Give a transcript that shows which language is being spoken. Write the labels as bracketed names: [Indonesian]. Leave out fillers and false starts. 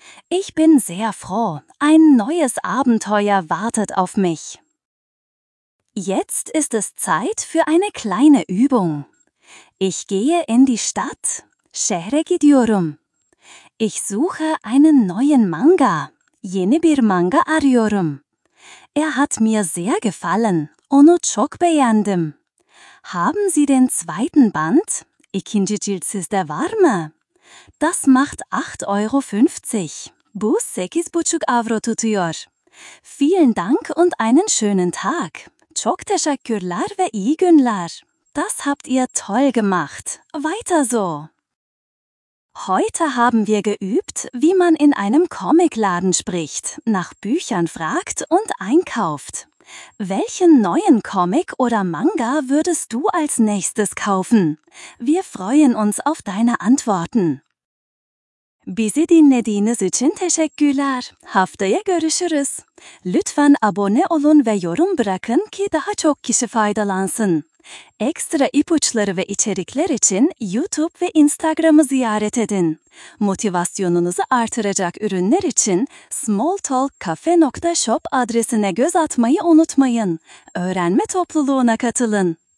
[German] Ich bin sehr froh. Ein neues Abenteuer wartet auf mich. Jetzt ist es Zeit für eine kleine Übung. Ich gehe in die Stadt. [Turkish] Şehre gidiyorum. [German] Ich suche einen neuen Manga. [Turkish] Yeni bir manga arıyorum. [German] Er hat mir sehr gefallen. [Turkish] Onu çok beğendim. [German] Haben Sie den zweiten Band? [Turkish] İkinci cilt sizde var mı? [German] Das macht 8,50 Euro. [Turkish] Bu 8,5 avro tutuyor. [German] Vielen Dank und einen schönen Tag. [Turkish] Çok teşekkürler ve iyi günler. [German] Das habt ihr toll gemacht. Weiter so. Heute haben wir geübt, wie man in einem Comicladen spricht, nach Büchern fragt und einkauft. Welchen neuen Comic oder Manga würdest du als nächstes kaufen? Wir freuen uns auf deine Antworten. [Turkish] Bizi dinlediğiniz için teşekkürler. Haftaya görüşürüz. Lütfen abone olun ve yorum bırakın ki daha çok kişi faydalansın. Ekstra ipuçları ve içerikler için YouTube ve Instagram'ı ziyaret edin. Motivasyonunuzu artıracak ürünler için smalltalkcafe.shop adresine göz atmayı unutmayın. Öğrenme topluluğuna katılın.